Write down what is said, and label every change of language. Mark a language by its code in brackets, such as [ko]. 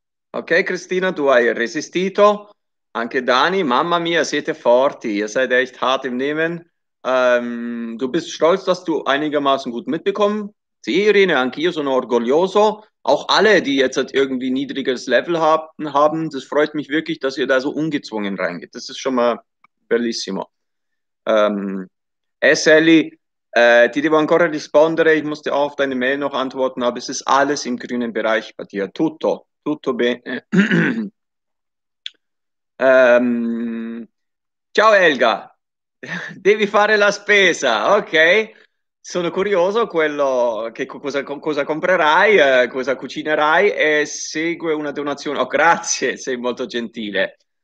[it] Ok, Cristina, tu hai resistito. Anche Dani, mamma mia, siete forti. [de] Ihr seid echt hart im Nehmen. Du bist stolz, dass du einigermaßen gut mitbekommen. [it] Sì, Irene, anch'io sono orgoglioso. [de] Auch alle, die jetzt halt irgendwie niedriges Level haben, das freut mich wirklich, dass ihr da so ungezwungen reingeht. Das ist schon mal bellissimo. [it] Sally, ti devo ancora rispondere. [de] Ich musste auch auf deine Mail noch antworten, aber es ist alles im grünen Bereich bei dir. [it] Tutto. Tutto bene. Ciao Elga, devi fare la spesa, ok? Sono curioso quello che cosa comprerai, cosa cucinerai e segue una donazione. Oh, grazie, sei molto gentile.